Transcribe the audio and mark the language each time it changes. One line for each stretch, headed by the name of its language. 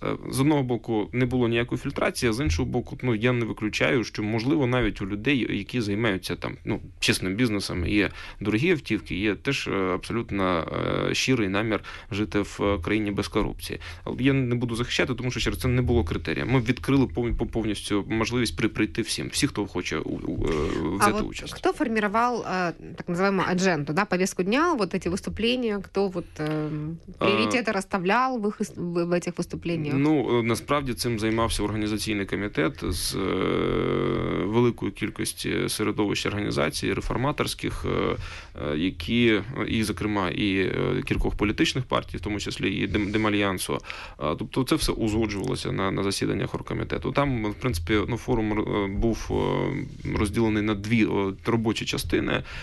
Ukrainian: З одного боку, не було ніякої фільтрації, з іншого боку, ну, я не виключаю, що, можливо, навіть у людей, які займаються там, ну, чесним бізнесом, є дорогі автівки, є теж абсолютно щирий намір жити в країні без корупції. Але я не буду захищати, тому що через це не було критерія. Ми відкрили повністю можливість прийти всім, хто хоче взяти участь. Хто формував так називаємо адженту,
Russian: да,
Ukrainian: повістку дня,
Russian: вот эти выступления, кто вот приоритеты расставлял в этих выступлениях?
Ukrainian: Ну, насправді цим займався організаційний комітет з великої кількості середовищ організацій реформаторських, які, і, зокрема, і кількох політичних партій, в тому числі і Демальянсу. Тобто це все узгоджувалося на засіданнях оргкомітету. Там, в принципі, ну, форум був розділений на дві робочі частини.